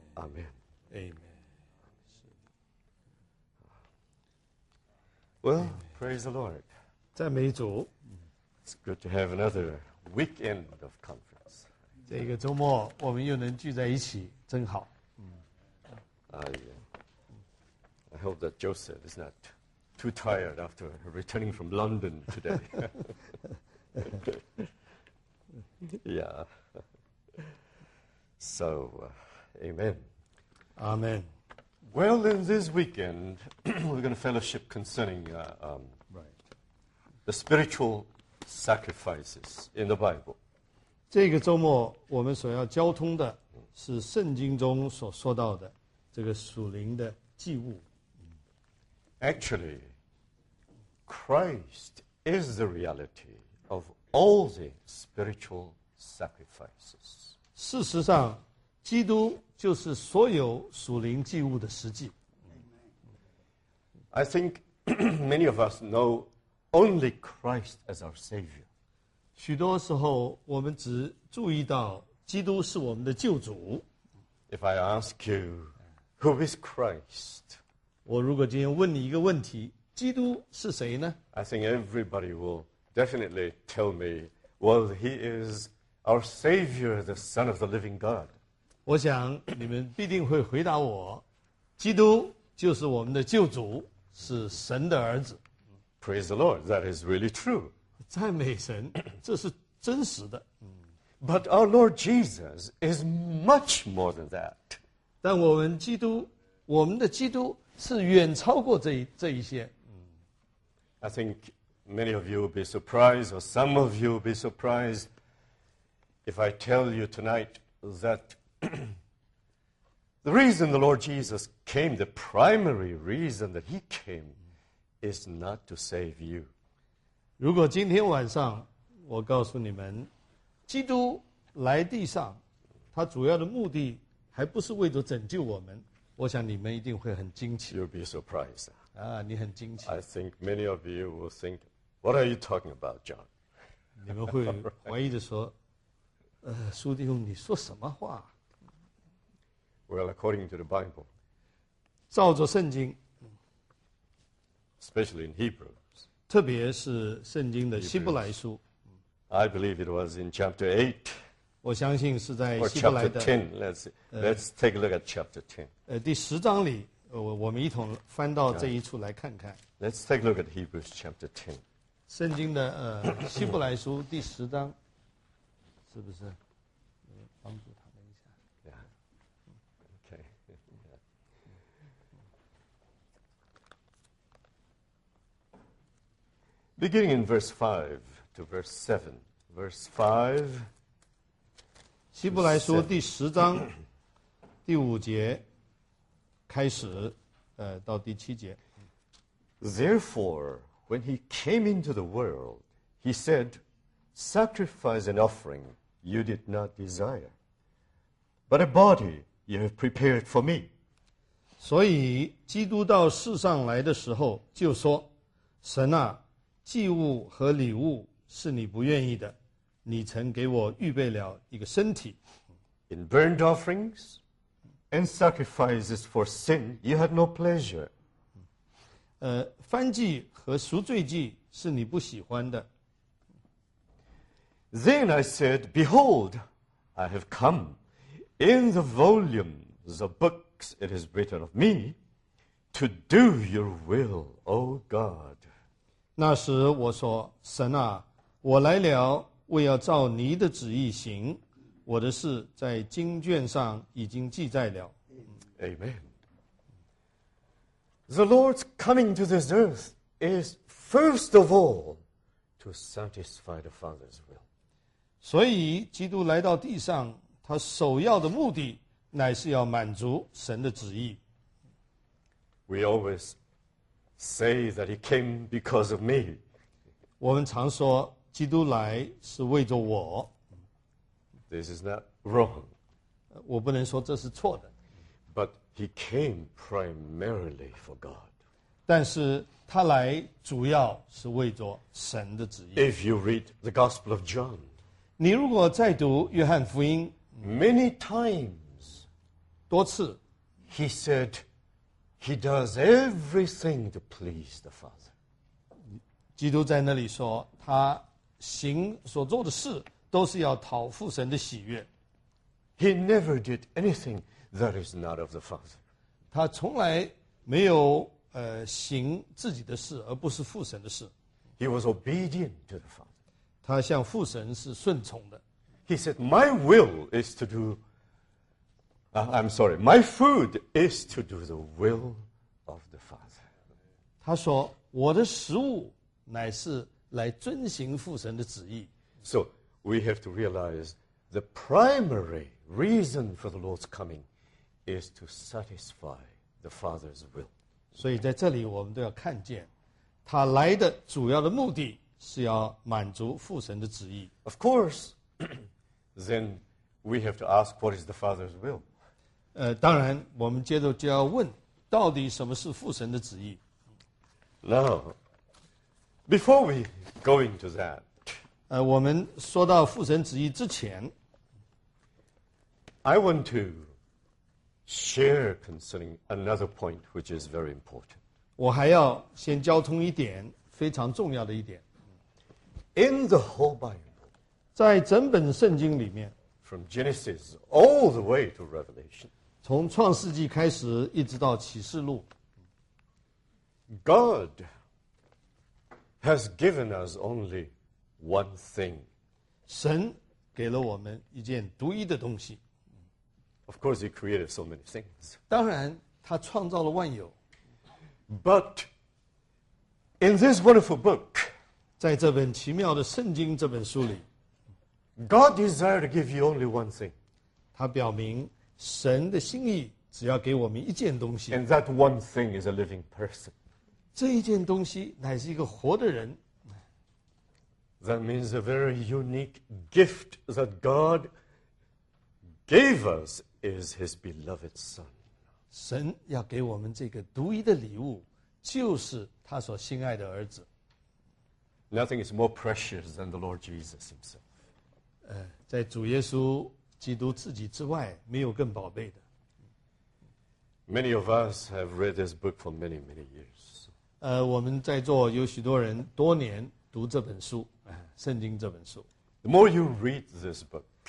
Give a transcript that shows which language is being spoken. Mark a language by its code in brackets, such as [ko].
[zh] 阿门。阿门。是。 [en] Well, praise the Lord. [zh] 赞美主。 [en] It's good to have another. Weekend of conference. [zh] 这个周末我们又能聚在一起，真好。 [en] I hope that Joseph is not too tired after returning from London today. Yeah. So, amen. Amen. Well, in this weekend, we're going to fellowship concerning the spiritual. Sacrifices in the Bible. [zh] 这个周末我们所要交通的是圣经中所说到的这个属灵的祭物。 [en] Actually, Christ is the reality of all the spiritual sacrifices. [zh] 事实上，基督就是所有属灵祭物的实际。 [en] I think many of us know. Only Christ as our Savior. [zh] 许多时候我们只注意到基督是我们的救主。 [en] If I ask you, who is Christ? [zh] 我如果今天问你一个问题，基督是谁呢？ [en] I think everybody will definitely tell me, well, he is our Savior, the Son of the living God. [zh] 我想你们必定会回答我，基督就是我们的救主，是神的儿子。 [en] Praise the Lord, that is really true. [zh] 赞美神，这是真实的。 [en] But our Lord Jesus is much more than that. [zh] 但我们基督，我们的基督是远超过这一些。 [en] I think many of you will be surprised, or some of you will be surprised, if I tell you tonight that the reason the Lord Jesus came, the primary reason that he came,is not to save you. [zh] 如果今天晚上我告诉你们，基督来地上，他主要的目的还不是为着拯救我们，我想你们一定会很惊奇。 [en] You'll be surprised. [zh] 啊，你很惊奇。 [en] I think many of you will think, "What are you talking about, John?" [zh] 你们会怀疑的说，苏弟兄，你说什么话 [en] ？Well, according to the Bible, [zh] 照着圣经。 [en] Especially in Hebrews. [zh] 特别是圣经的希伯来书。 [en] I believe it was in chapter 8. [zh] 我相信是在希伯来的。 [en] Or chapter 10. Let's take a look at chapter 10. [zh] 第十章里，我们一同翻到这一处来看看。 [en] Let's take a look at Hebrews chapter 10. [zh] 圣经的希伯来书第十章，是不是？帮助他们一下。 [en] Yeah. Okay. Beginning in verse 5 to verse 7. Verse 5. [zh] 希伯来书第十章第五节开始到第七节。 [en] Therefore, when he came into the world, he said, Sacrifice and offering you did not desire, but a body you have prepared for me. [zh] 所以基督到世上来的时候就说，神啊，祭物和礼物是你不愿意的，你曾给我预备了一个身体。 [en] In burnt offerings and sacrifices for sin, you had no pleasure. [zh] 燔祭和赎罪祭是你不喜欢的。 [en] Then I said, Behold, I have come. In the volumes of books it is written of me to do your will, O God. [zh] 那时我说，神啊，我来了，为要照你的旨意行。我的事在经卷上已经记载了。 [en] Amen. The Lord's coming to this earth is first of all to satisfy the Father's will. [zh] 所以基督来到地上，他首要的目的乃是要满足神的旨意。 [en] We always say that he came because of me. [zh] 我们常说基督来是为着我。 [en] This is not wrong. [zh] 我不能说这是错的。 [en] But he came primarily for God. [zh] 但是他来主要是为着神的旨意。 [en] If you read the Gospel of John, [zh] 你如果再读约翰福音， [en] many times [zh] 多次 [en] he said he does everything to please the Father. [zh] 基督在那里说，他行所做的事都是要讨父神的喜悦。 [en] He never did anything that is not of the Father. [zh] 他从来没有行自己的事而不是父神的事。 [en] He was obedient to the Father. [zh] 他向父神是顺从的。 [en] He said, my will is to do my food is to do the will of the Father. [zh] 他说，我的食物乃是来遵行父神的旨意。 [en] So we have to realize the primary reason for the Lord's coming is to satisfy the Father's will. [zh] 所以在这里我们都要看见，他来的主要的目的是要满足父神的旨意。 [en] Of course, then we have to ask what is the Father's will. [zh] 当然我们接着就要问，到底什么是父神的旨意。 [en] Now, before we go into that, [zh] 我们说到父神旨意之前， [en] I want to share concerning another point which is very important. [zh] 我还要先交通一点非常重要的一点。 [en] In the whole Bible, [zh] 在整本圣经里面， [en] from Genesis all the way to Revelation, [zh] 从创世纪开始一直到启示录， [en] God has given us only one thing. [zh] 神给了我们一件独一的东西。 [en] Of course, he created so many things. [zh] 当然他创造了万有。 [en] But in this wonderful book, [zh] 在这本奇妙的圣经这本书里， [en] God desired to give you only one thing. [zh] 他表明神的心意只要给我们一件东西。 [en] And that one thing is a living person. [zh] 这一件东西乃是一个活的人。 [en] That means a very unique gift that God gave us is his beloved son. [zh] 神要给我们这个独一的礼物就是他所心爱的儿子。 [en] Nothing is more precious than the Lord Jesus himself. [zh] 在主耶稣基督自己之外没有更宝贝的。 [en] Many of us have read this book for many, many years. [zh] 我们在座有许多人多年读这本书，圣经这本书。 [en] The more you read this book,